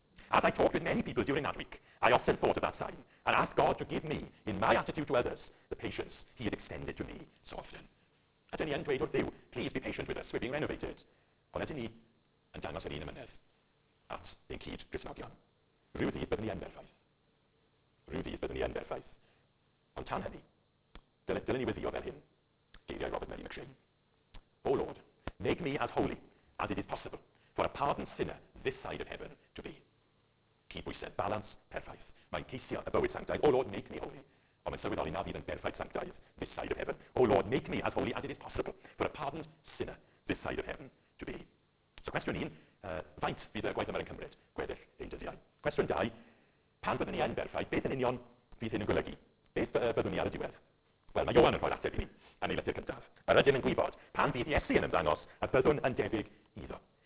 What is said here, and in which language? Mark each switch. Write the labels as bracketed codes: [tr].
[en] As I talked with many people during that week, I often thought of that sign and asked God to give me, in my attitude to others, the patience he had extended to me so often. [cy] A dyn ni yn dweud wrth Dduw, [en] please be patient with us, we're being renovated. [cy] Ond ydyn ni yn dangos yr un ymynedd at ein cyd Cristnogion. Rhyw ddydd byddwn ni yn berffaith. Rhyw ddydd byddwn ni yn berffaith. Ond tan hynny, dylen ni weddio fel hyn, geiriau Robert Mary McShane. [en] O Lord, make me as holy as it is possible for a pardoned sinner this side of heaven to be. [cy] Cydbwysedd, balans, perffaith. Mae'n ceisio y bywyd sanctaidd. [en] O Lord, make me holy. [cy] Ond mae'n sylweddoli na fydd yn berffaith sanctaidd [en] this side of heaven. O Lord, make me as holy as it is possible for a pardoned sinner this side of heaven to be. [cy] So cwestiwn un, faint fydd y gwaith yma yn cymryd gweddill ein dyddiau? Cwestiwn dau, pan byddwn ni yn berffaith, beth yn union fydd hyn yn golygu? Beth byddwn ni ar y diwedd? Wel, mae Ioan yn rhoi'r ateb i ni yn ei lythyr cyntaf. Yr ydym yn gwybod pan fydd Iesu yn ymddangos a byddwn yn debyg iddo.